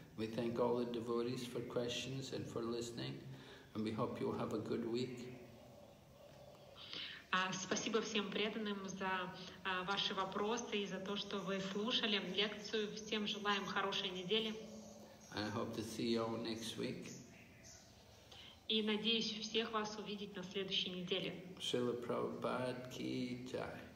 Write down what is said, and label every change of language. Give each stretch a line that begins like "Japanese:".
English: We thank all the devotees for questions and for listening. And we hope you'll have a good week.
Russian: Спасибо всем преданным за ваши вопросы и за то, что вы слушали лекцию. Всем желаем хорошей недели.
English: I hope to see you all next week.
Russian: И надеюсь всех вас увидеть на следующей неделе. Шрила Прабхупада ки джай.